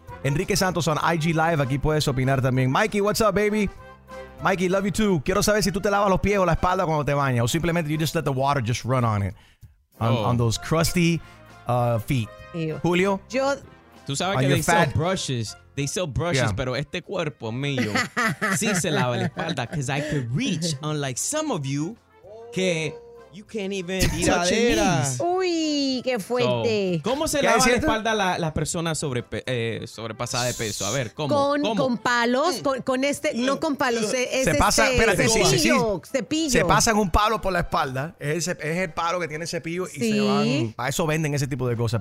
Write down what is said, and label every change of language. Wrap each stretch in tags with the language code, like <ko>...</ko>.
<en>Enrique Santos on IG Live.</en> <es>Aquí puedes opinar también.</es> <en>Mikey, what's up, baby? Mikey, love you too.</en> <es>Quiero saber si tú te lavas los pies o la espalda cuando te bañas. O simplemente</es> <en>you just let the water just run on it. On those crusty feet. Ew. Julio? Yo.</en> <es>Tú sabes que</es> <en>they sell brushes, yeah.</en> <es>Pero este cuerpo mío sí se lava la espalda.</es> <en>Because I could reach, unlike some of you,</en> <es>que...</es> <en>You can't even eat a cheese.</en> <es>Uy, qué fuerte. So, ¿cómo se lava la espalda la persona sobrepasada de peso? A ver, ¿cómo? Con palos, con este, no con palos, cepillo. Se pasan un palo por la espalda, es el palo que tiene el cepillo y se van, a eso venden ese tipo de cosas.</es>